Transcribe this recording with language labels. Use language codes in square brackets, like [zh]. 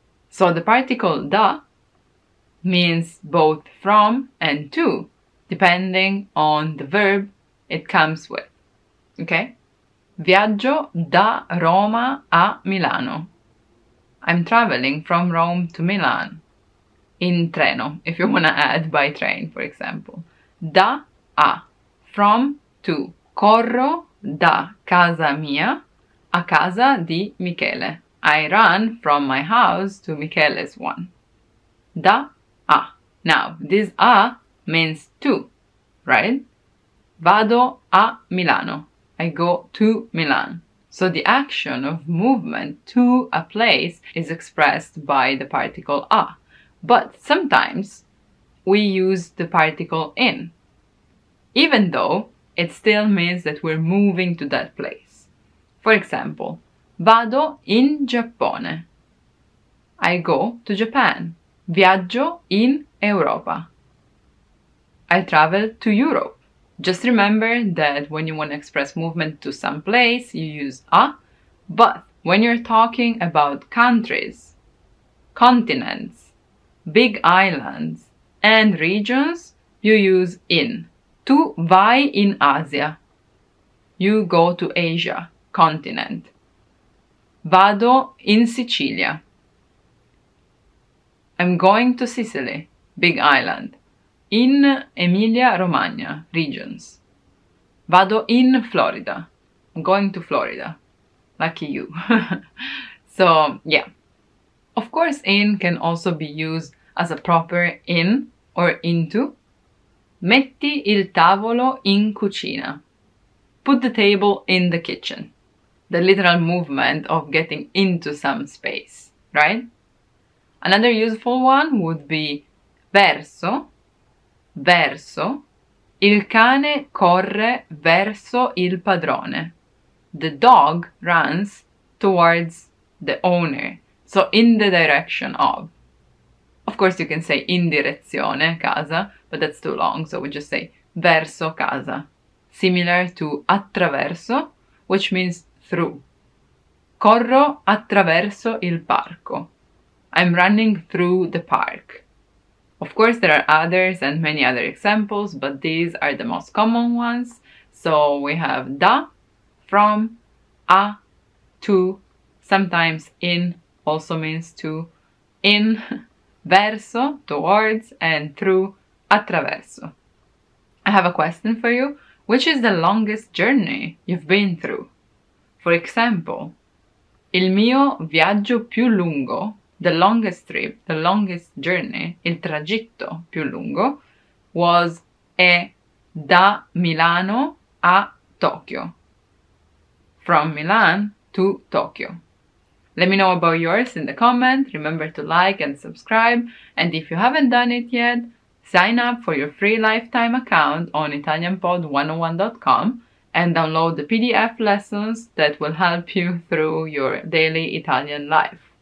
[en] So the particle da means both from and to, depending on the verb it comes with, okay? [it] Viaggio da Roma a Milano. [en] I'm traveling from Rome to Milan [it] in treno, [en] if you want to add by train, for example. [it] Da a, [en] from, to. [it] Corro da casa mia a casa di Michele. [en] I run from my house to Michele's one. [it] Da a. [en] Now, this a means to, right? [it] Vado a Milano. [en] I go to Milan. So the action of movement to a place is expressed by the particle a. But sometimes we use the particle in, even though it still means that we're moving to that place. For example, [it] vado in Giappone. [en] I go to Japan. [it] Viaggio in Europa. [en] I travel to Europe. Just remember that when you want to express movement to some place, you use a, but when you're talking about countries, continents, big islands, and regions, you use in. [it] Tu vai in Asia. [en] You go to Asia, continent. [it] Vado in Sicilia. [en] I'm going to Sicily, big island. [it] In Emilia-Romagna, regions. Vado in Florida. [en] I'm going to Florida. Lucky you. So, yeah. Of course, in can also be used as a proper in or into. [it] Metti il tavolo in cucina. [en] Put the table in the kitchen. The literal movement of getting into some space, right? Another useful one would be verso. Verso. [it] Il cane corre verso il padrone. [en] The dog runs towards the owner. So in the direction of. Of course you can say [it] in direzione casa, [en] but that's too long, so we just say [it] verso casa. [en] Similar to attraverso, which means through. [it] Corro attraverso il parco. [en] I'm running through the park. Of course, there are others and many other examples, but these are the most common ones. So we have da, from, a, to, sometimes in, also means to, in, verso, towards, and through, attraverso. I have a question for you. Which is the longest journey you've been through? For example, [it] il mio viaggio più lungo, [en] the longest trip, the longest journey, [it] il tragitto più lungo, [en] was [it] e da Milano a Tokyo. [en] From Milan to Tokyo. Let me know about yours in the comment. Remember to like and subscribe. And if you haven't done it yet, sign up for your free lifetime account on ItalianPod101.com and download the PDF lessons that will help you through your daily Italian life.